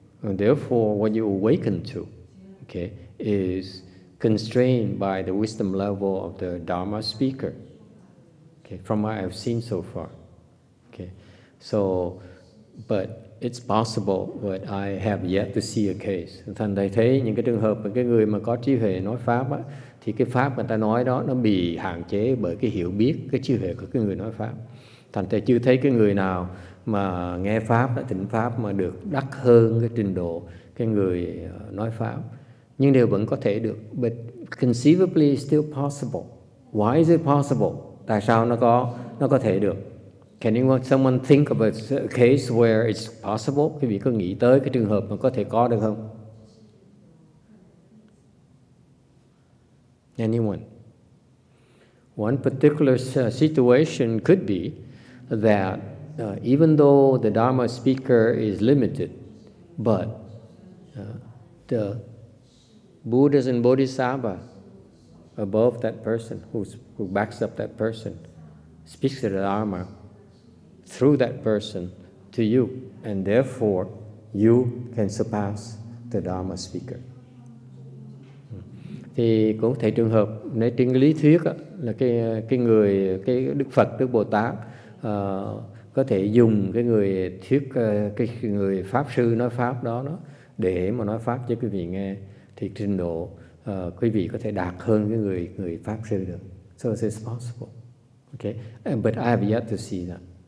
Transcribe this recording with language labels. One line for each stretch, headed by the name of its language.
English: And therefore, what you awaken to, okay, is constrained by the wisdom level of the Dharma speaker. Okay, from what I've seen so far. Okay, so, but it's possible, but I have yet to see a case.
Vietnamese: Thành thầy thấy những cái trường hợp mà cái người mà có trí huệ nói pháp á, thì cái pháp người ta nói đó nó bị hạn chế bởi cái hiểu biết, cái trí huệ của cái người nói pháp. Thành thầy chưa thấy cái người nào mà nghe pháp, tỉnh pháp mà được đắc hơn cái trình độ cái người nói pháp. Nhưng đều vẫn có thể được.
English: But conceivably still possible. Why is it possible?
Vietnamese: Tại sao nó có thể được?
English: Can anyone, someone think of a case where it's possible?
Vietnamese: Quý vị có nghĩ tới cái trường hợp mà có thể có được không?
English: Anyone? One particular situation could be that even though the Dharma speaker is limited, but the Buddhas and Bodhisattva above that person, who backs up that person, speaks the Dharma through that person to you, and therefore you can surpass the Dharma speaker.
Vietnamese: Thì cũng thể trường hợp nếu trên lý thuyết á, là cái người cái Đức Phật, Đức Bồ Tát có thể dùng cái người thuyết cái người pháp sư nói pháp đó để mà nói pháp cho quý vị nghe, thì trình độ quý vị có thể đạt hơn cái người pháp sư được.
English: So it's possible. Okay, but I have yet to see that.